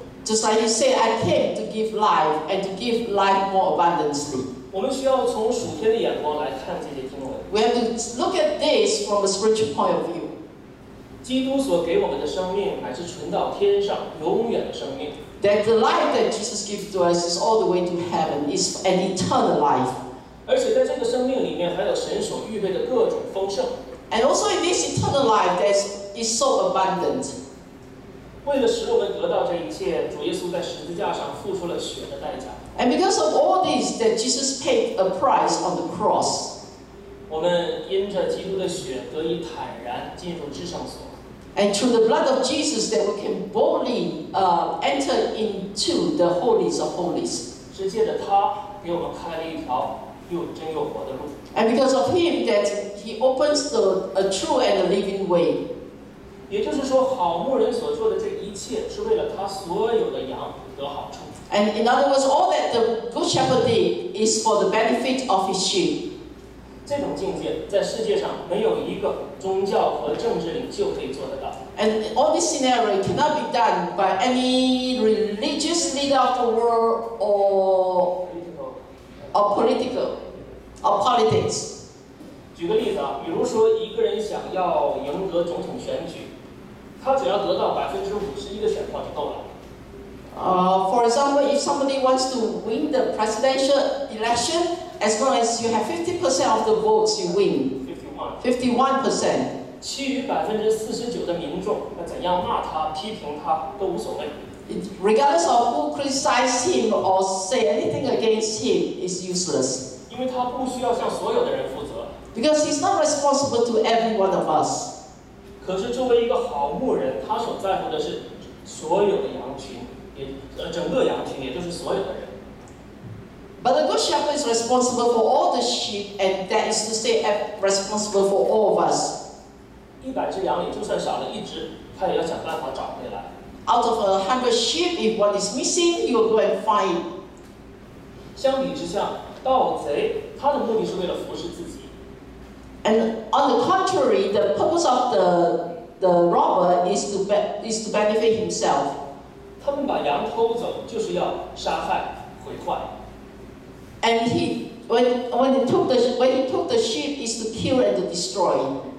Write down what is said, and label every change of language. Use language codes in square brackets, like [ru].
[en] Just like you say, I came to give life and to give life more abundantly. [zh] 我们需要从属天的眼光来看这些经文。 [en] We have to look at this from a spiritual point of view. [zh] 基督所给我们的生命乃是存到天上永远的生命。 [en] That the life that Jesus gives to us is all the way to heaven is an eternal life. [zh] 而且在这个生命里面还有神所预备的各种丰盛。 [en] And also in this eternal life that is so abundant. [zh] 为了使我们得到这一切，主耶稣在十字架上付出了血的代价。 [en] And because of all this, that Jesus paid a price on the cross. [zh] 我们因着基督的血得以坦然进入至圣所。 [en] And through the blood of Jesus, that we can boldly enter into the holies of holies. [zh] 是借着他给我们开了一条又真又活的路。 [en] And because of him, that he opens the a true and a living way. [zh] 也就是说，好牧人所做的这一切，是为了他所有的羊得好处。 [en] And in other words, all that the good shepherd did is for the benefit of his sheep. [zh] 这种境界在世界上没有一个宗教和政治领袖可以做得到。 [en] And all this scenario cannot be done by any religious leader of the world or politics. [zh] 举个例子啊，比如说一个人想要赢得总统选举，他只要得到51%的选票就够了。 [en] For example, if somebody wants to win the presidential election, as long as you have 50% of the votes, you win. 51%. [zh] 49% 的民众，那怎样骂他、批评他都无所谓。 [en] Regardless of who criticizes him or say anything against him, is useless. [zh] 因为他不需要向所有的人负责。 [en] Because he's not responsible to every one of us. [zh] 可是作为一个好牧人，他所在乎的是所有的羊群。整个羊群，也就是所有的人。 [en] But the good shepherd is responsible for all the sheep, and that is to say, responsible for all of us. [zh] 100只羊里就算少了一只，他也要想办法找回来。 [en] Out of 100 sheep, if one is missing, you will go and find. [zh] 相比之下，盗贼他的目的是为了服侍自己。 [en] And on the contrary, the purpose of the robber is to benefit himself. [zh] 他们把羊偷走，就是要杀害、毁坏。 [en] And he when he took the sheep is to kill and to destroy.